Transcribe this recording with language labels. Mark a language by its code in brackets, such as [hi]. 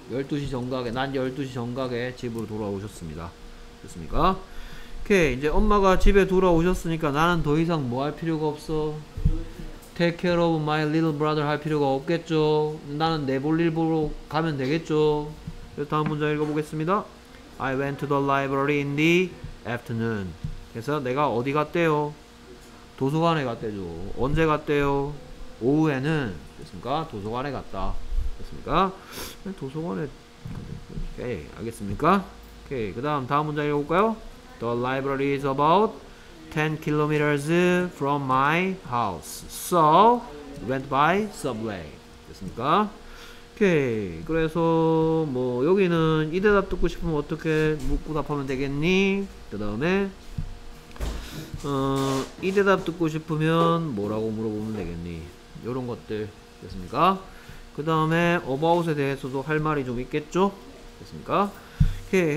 [ko] 12시 정각에, 난 12시 정각에 집으로 돌아오셨습니다. 됐습니까? 오케이, 이제 엄마가 집에 돌아오셨으니까 나는 더 이상 뭐 할 필요가 없어? [en] Take care of my little brother [ko] 할 필요가 없겠죠. 나는 내볼 일 보러 가면 되겠죠. 다음 문장 읽어보겠습니다. [en] I went to the library in the afternoon. [ko] 그래서 내가 어디 갔대요? 도서관에 갔대죠. 언제 갔대요? 오후에는. 됐습니까? 도서관에 갔다. 됐습니까? 도서관에. 오케이, 알겠습니까? 오케이, 그 다음 문장 읽어볼까요? [en] The library is about 10 kilometers from my house. So, went by subway. [ko] 됐습니까? [en] 오케이. [ko] 그래서, 뭐, 여기는 이 대답 듣고 싶으면 어떻게 묻고 답하면 되겠니? 그 다음에, 이 대답 듣고 싶으면 뭐라고 물어보면 되겠니? 요런 것들. 됐습니까? 그 다음에, about에 대해서도 할 말이 좀 있겠죠? 됐습니까? 오케이.